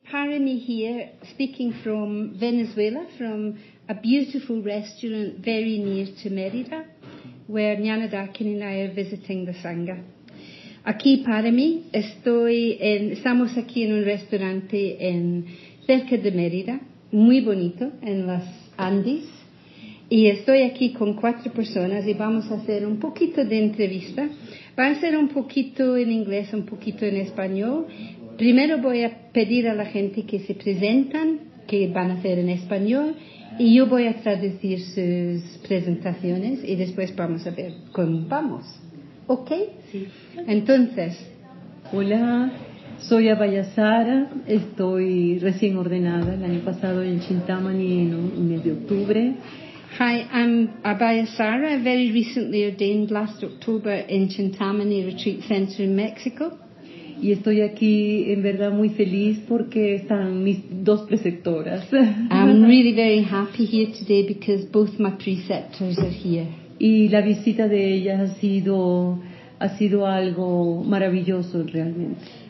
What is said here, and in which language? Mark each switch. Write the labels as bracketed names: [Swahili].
[English] Karimi here, speaking from Venezuela, from a beautiful restaurant very near to Merida, where Nyanadakin and I are visiting the Sangha. [Spanish] Aquí para mí, estamos aquí en un restaurante en cerca de Mérida, muy bonito, en las Andes, y estoy aquí con cuatro personas y vamos a hacer un poquito de entrevista. Va a ser un poquito en inglés, un poquito en español. Primero voy a pedir a la gente que se presentan, que van a hacer en español, y yo voy a traducir sus presentaciones y después vamos a ver cómo vamos. ¿Ok? Sí. Entonces. Hola, soy Abayasara, estoy recién ordenada el año pasado en Chintamani, en el mes de octubre. [English] Hi, I'm Abayasara, very recently ordained last October in Chintamani Retreat Center in Mexico. [Spanish] Y estoy aquí en verdad muy feliz porque están mis dos preceptoras. [English] I'm really very happy here today because both my preceptors are here. [Spanish] Y la visita de ellas ha sido algo maravilloso realmente.